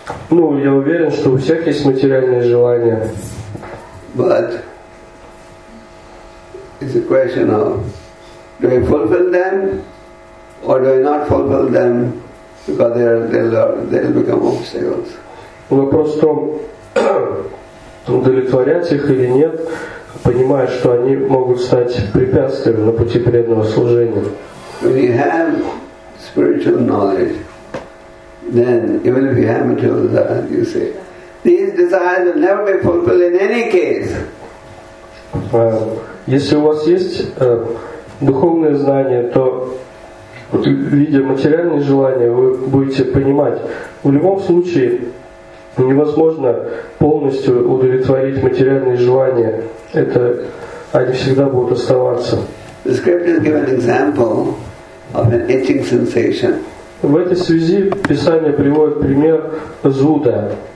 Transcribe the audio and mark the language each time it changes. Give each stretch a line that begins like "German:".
Russian: Ну, я уверен, что у всех есть материальные желания.
English: But it's a question of do I fulfill them or do I not fulfill them, because they'll become obstacles.
Russian: Вопрос в том, удовлетворять их или нет, понимая, что они могут стать препятствием на пути преданного служения.
English: When you have spiritual knowledge, then even if you have material desires, you say, these desires will never be fulfilled in any case.
Russian: Если у вас есть духовные знания, то вот, видя материальные желания, вы будете понимать, в любом случае невозможно полностью удовлетворить материальные желания. Это они всегда будут оставаться.
English: The scriptures give an example of an itching sensation.
Russian: В этой связи Писание приводит пример зуда.